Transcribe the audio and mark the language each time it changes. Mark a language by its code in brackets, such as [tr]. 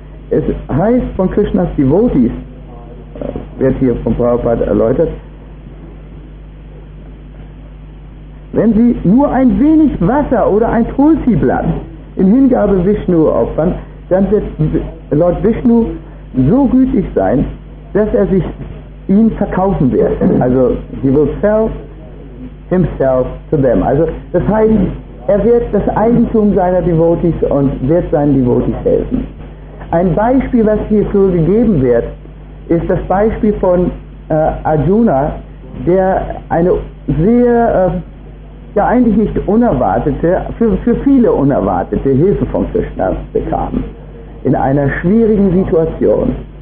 [de] Es heißt von Krishnas Devotees, wird hier vom Prabhupada erläutert, wenn sie nur ein wenig Wasser oder ein Tulsi-Blatt in Hingabe Vishnu opfern, dann wird Lord Vishnu so gütig sein, dass er sich ihn verkaufen wird. [en] Also, he will sell himself to them. [de] Also, das heißt, er wird das Eigentum seiner Devotees und wird seinen Devotees helfen. Ein Beispiel, was hier so gegeben wird, ist das Beispiel von Arjuna, der eine sehr, eigentlich nicht unerwartete, für viele unerwartete Hilfe von Krishna bekam, in einer schwierigen Situation.